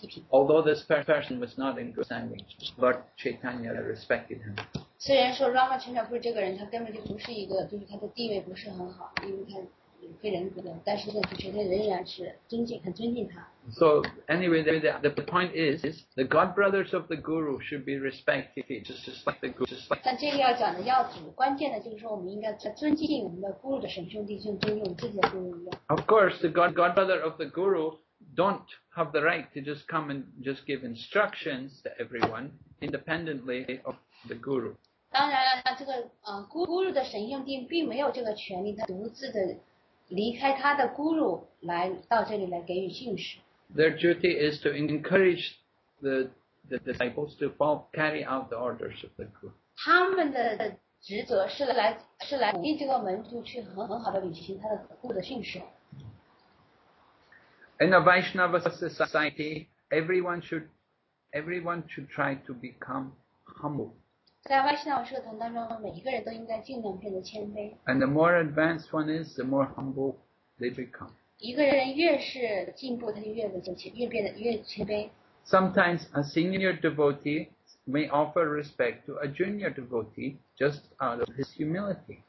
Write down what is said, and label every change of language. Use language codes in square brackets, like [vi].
[en] Although this person was not in good standing, Lord Chaitanya respected him. [zh] Ramachandra Puri 这个人, 他根本就不是一个, 就是他的地位不是很好, 因为他, 非人格的，但是这个同学他仍然是尊敬，很尊敬他。 [en] So anyway, the point is the god brothers of the guru should be respected, just like the guru. [zh] 但这个要讲的要旨，关键的就是说，我们应该尊敬我们的 guru 的神兄弟，就尊敬我们自己的 guru 一样。 [en] Of course, the god brother of the guru don't have the right to just come and just give instructions to everyone independently of the guru. [zh] 当然了，这个guru 的神兄弟并没有这个权利，他独自的。离开他的 guru 来到这里来给予训示。 [en] Their duty is to encourage the disciples to follow, carry out the orders of the guru. [zh] 他们的职责是来鼓励这个门徒去很好的履行他的 guru 的训示。 [en] In a Vaishnava society, everyone should try to become humble. [zh] 在外星的社团当中，每一个人都应该尽量变得谦卑。 [en] And the more advanced one is, the more humble they become. [zh] 一个人越是进步，他就越谦卑。 [en] Sometimes a senior devotee may offer respect to a junior devotee just out of his humility.